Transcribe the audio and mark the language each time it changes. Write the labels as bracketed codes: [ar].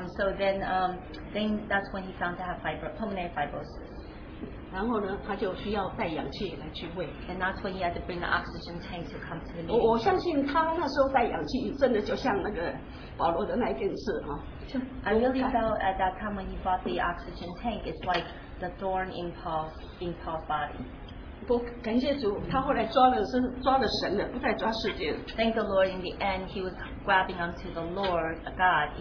[en] So then that's when he found to have pulmonary fibrosis. [zh] 然后呢，他就需要带氧气来去喂。 [en] And that's when he had to bring the oxygen tank to come to the meeting. [zh] 我相信他那时候带氧气，真的就像那个保罗的那一件事啊。 [en] I really felt at that time when he bought the oxygen tank, it's like the thorn in Paul's body. [zh] 不，感谢主，他后来抓的是抓的神的，不再抓世界的。 [en] Thank the Lord, in the end, he was grabbing onto the Lord, God.